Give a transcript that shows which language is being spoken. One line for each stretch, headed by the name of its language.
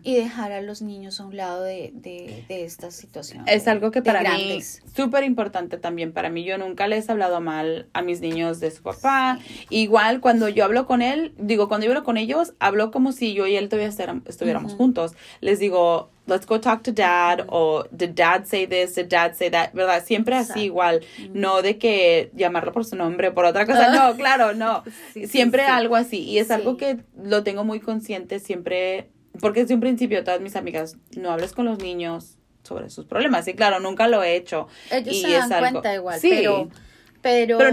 Spanish: Y dejar a los niños a un lado de esta situación. Es algo que para mí es súper importante también. Para mí, yo nunca les he hablado mal a mis niños de su papá. Sí. Igual cuando yo hablo con él, cuando yo hablo con ellos, hablo como si yo y él todavía estuviéramos juntos. Les digo,
English: let's go talk to dad,
Spanish: o
English: did dad say this, did dad say that,
Spanish: ¿verdad? Siempre así igual, no de que llamarlo por su nombre, por otra cosa, no, claro, no, siempre algo así, y es algo que lo tengo muy consciente siempre, porque desde un principio todas mis amigas, no hables con los niños sobre sus problemas, y claro, nunca lo he hecho. Ellos se dan cuenta igual, pero